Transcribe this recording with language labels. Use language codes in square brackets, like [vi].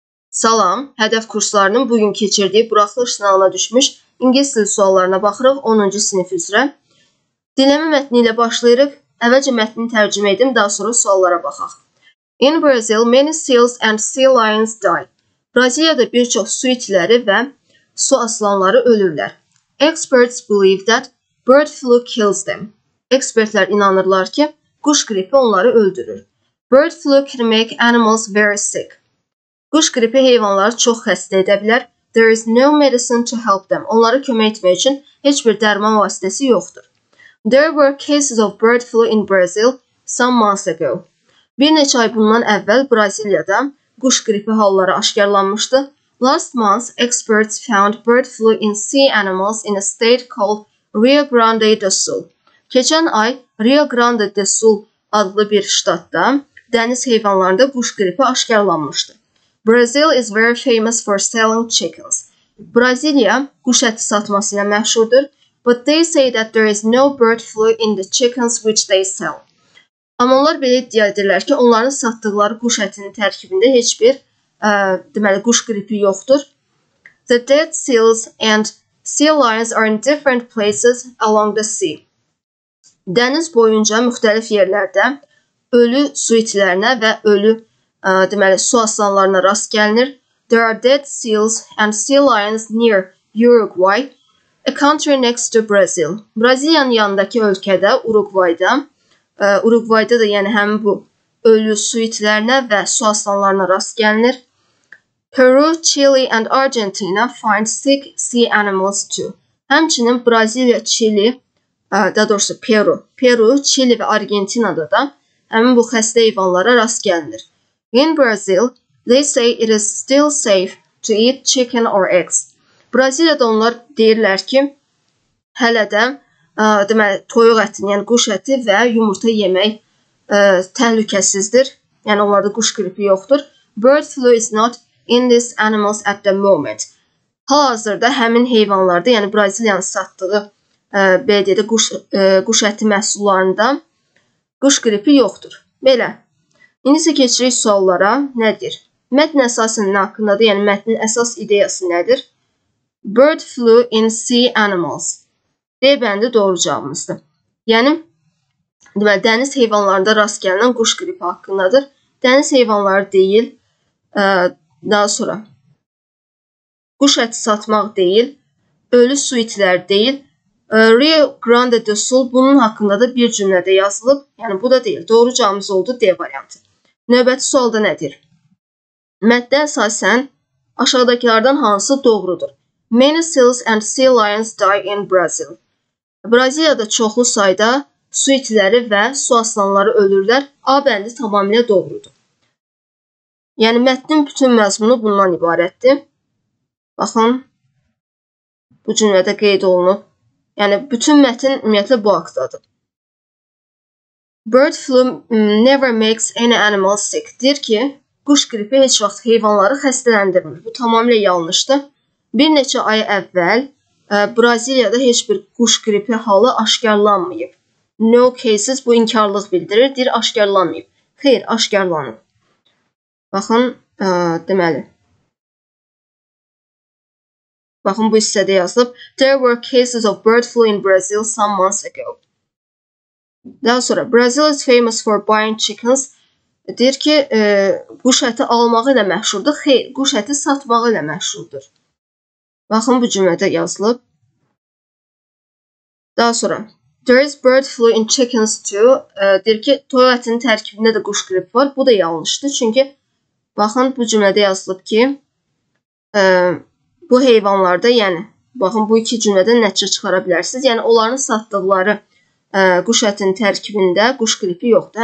[az] Salam, Hədəf kurslarının bugün keçirdiyi buraxılış sınağına düşmüş İngilis dili suallarına baxırıq 10-cu sinif üzrə. Dinləmə mətni ilə başlayırıq. Əvvəlcə mətnini tərcümə edim, daha sonra suallara baxaq. [en] In Brazil, many seals and sea lions die. [az] Braziliyada bir çox su itləri və su aslanları ölürlər. [en] Experts believe that bird flu kills them. [az] Ekspertlər inanırlar ki, quş qripi onları öldürür. [en] Bird flu can make animals very sick. [az] Quş qripi heyvanları çox xəstə edə bilər. [en] There is no medicine to help them. [az] Onlara kömək etmək üçün heç bir dərman vasitəsi yoxdur. [en] There were cases of bird flu in Brazil some months ago. [az] Bir neçə ay bundan əvvəl Braziliyada quş qripi halları aşkarlanmışdı. [en] Last month, experts found bird flu in sea animals in a state called Rio Grande do Sul. [az] Keçən ay Rio Grande do Sul adlı bir ştatda dəniz heyvanlarında quş qripi aşkarlanmışdı. [en] Brazil is very famous for selling chickens. [az] Braziliya quş əti satması ilə məşhurdur, [en] but they say that there is no bird flu in the chickens which they sell. [az] Amma onlar belə iddia edirlər ki, onların satdıqları quş ətinin tərkibində heç bir, deməli, quş qripi yoxdur. [en] The dead seals and sea lions are in different places along the sea. [az] Dəniz boyunca müxtəlif yerlərdə ölü su itlərinə və ölü, deməli, su aslanlarına rast gəlinir. [en] There are dead seals and sea lions near Uruguay, a country next to Brazil. [az] Braziliyanın yanındakı ölkədə, Uruguayda, Uruguayda da yəni həmin bu ölü su itlərinə və su aslanlarına rast gəlinir. [en] Peru, Chile and Argentina find sick sea animals too. [az] Həmçinin Braziliya, Chile, daha doğrusu Peru, Peru, Chile və Argentinada da həmin bu xəstə heyvanlara rast gəlinir. [en] In Brazil, they say it is still safe to eat chicken or eggs. [az] Braziliyada onlar deyirlər ki, hələ də deməli, toyuq ətini, yəni quş əti və yumurta yemək təhlükəsizdir. Yəni, onlarda quş qripi yoxdur. Bird flu is not in these animals at the moment. Hal-hazırda həmin heyvanlarda, yəni Braziliyanın satdığı BD-də quş əti məhsullarında quş qripi yoxdur. Belə. İndi isə keçirik suallara. Nədir? Mətn əsasının nə haqqındadır? Yəni, mətnin əsas ideyası nədir? [en] Bird flu in sea animals. [az] D bəndi doğru cavabımızdır. Yəni, deməli, dəniz heyvanlarında rast gəlinən quş qripi haqqındadır. Dəniz heyvanları deyil, daha sonra quş əti satmaq deyil, ölü su itləri deyil. Rio Grande do Sul bunun haqqında da bir cümlədə yazılıb. Yəni, bu da deyil. Doğru cavabımız oldu D variantı. Növbəti sualda nədir? Məddə əsasən aşağıdakilardan hansı doğrudur? [en] Many seals and sea lions die in Brazil. [az] Braziliyada çoxlu sayda su itləri və su aslanları ölürlər. A bəndi tamamilə doğrudur. Yəni, mətnin bütün məzmunu bundan ibarətdir. Baxın, bu cümlədə qeyd olunub. Yəni, bütün mətn ümumiyyətlə bu haqdadır. [en] Bird flu never makes any animal sick. [az] Deyir ki, quş qripi heç vaxt heyvanları xəstələndirmir. Bu tamamilə yanlışdır. Bir neçə ay əvvəl Braziliyada heç bir quş qripi halı aşkarlanmayıb. [en] No cases [az] bu inkarlıq bildirir, deyir, aşkarlanmayıb. Xeyr, aşkarlanıb. Baxın, deməli. Baxın, bu hissədə yazılıb. [en] There were cases of bird flu in Brazil some months ago. [az] Daha sonra, [en] Brazil is famous for buying chickens. [az] Deyir ki, quş əti almağı ilə məşhurdur. Xeyr, quş əti satmağı ilə məşhurdur. Baxın, bu cümlədə yazılıb. Daha sonra, [en] there is bird flu in chickens too. [az] Deyir ki, toyuq ətinin tərkibində də quş qripi var. Bu da yanlışdır. Çünki, baxın, bu cümlədə yazılıb ki, bu heyvanlarda, yəni, baxın, bu iki cümlədə nəticə çıxara bilərsiniz. Yəni, onların satdıqları quş ətinin tərkibində quş qripi yoxdur.